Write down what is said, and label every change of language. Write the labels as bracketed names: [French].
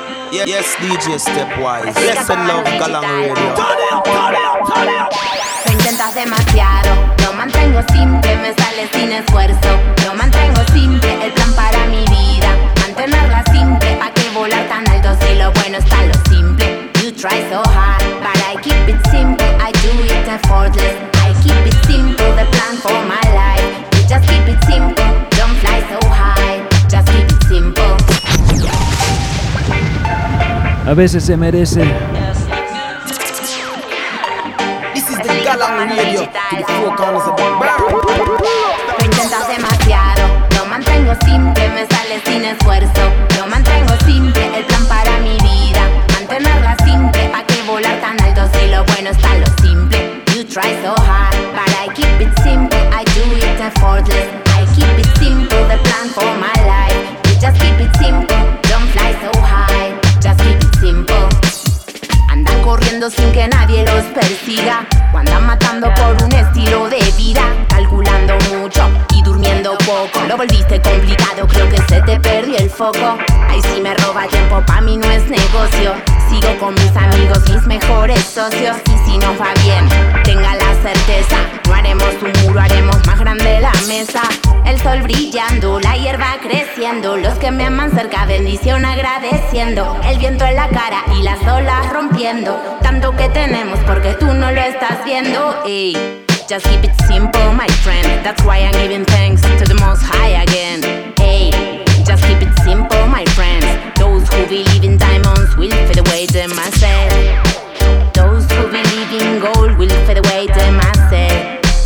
[English] Yes, yes, DJ Stepwise, yes, and love Galán Radio. [Spanish] Lo intentas demasiado, lo mantengo simple, me sale sin esfuerzo, lo mantengo simple. El plan para mi vida, mantenerla simple, pa' que volar tan alto si lo bueno está lo simple. [English] You try so hard, but I keep it simple. Effortless. I keep it simple, the plan for my life. You just keep it simple, don't fly so high. Just keep it simple. [Spanish] A veces se merece. [English] This is the Galán Radio. [Spanish] Lo intentas demasiado. simple, me sale sin esfuerzo. Lo mantengo simple, el plan para mi vida. Mantenerla simple, pa' que volar tan alto. Si lo bueno está lo simple. [English] You try so hard, but I keep it simple. I do it effortless. I keep it simple, the plan for my life. You just keep it simple, don't fly so high. Just keep it simple. [Spanish] Andan corriendo sin que nadie los persiga. O andan matando por un estilo de vida. Calculando mucho y durmiendo poco. Lo volviste complicado, creo que se te perdió el foco. Ay, si me roba tiempo, pa' mí no es negocio. Sigo con mis amigos, mis mejores socios. Y si no va bien, tenga la certeza. No haremos un muro, haremos más grande la mesa. El sol brillando, la hierba creciendo. Los que me aman cerca, bendición agradeciendo. El viento en la cara y las olas rompiendo. Tanto que tenemos porque tú no lo estás viendo. [English] Ey. Just keep it simple, my friend. That's why I'm giving thanks to the Most High again. Ey. Just keep it simple, my friends. Those who believe in diamonds will fade away the myself. Those who believe in gold will fade away the myself.